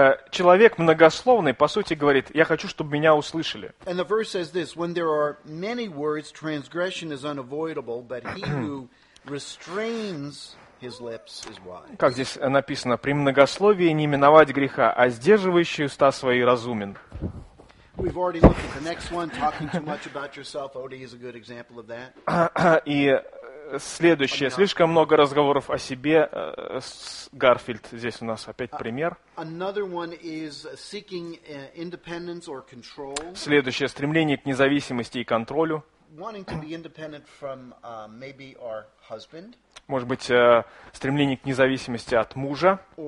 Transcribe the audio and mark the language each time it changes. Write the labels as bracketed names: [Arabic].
[Russian] Человек многословный, по сути, говорит, я хочу, чтобы меня услышали. [English] And the verse says this, when there are many words, transgression is unavoidable, but he who restrains his lips is wise. [Russian] Как здесь написано, при многословии не миновать греха, а сдерживающий уста свои разумен. [English] We've already looked at the next one, talking too much about yourself. Odie is a good example of that. [Russian] И следующее. Слишком много разговоров о себе. Гарфилд здесь у нас опять пример. [English] Another one is seeking independence or control. [Russian] Следующее. Стремление к независимости и контролю. [English] Wanting to be independent from maybe our husband. [Russian] может быть, стремление к независимости от мужа.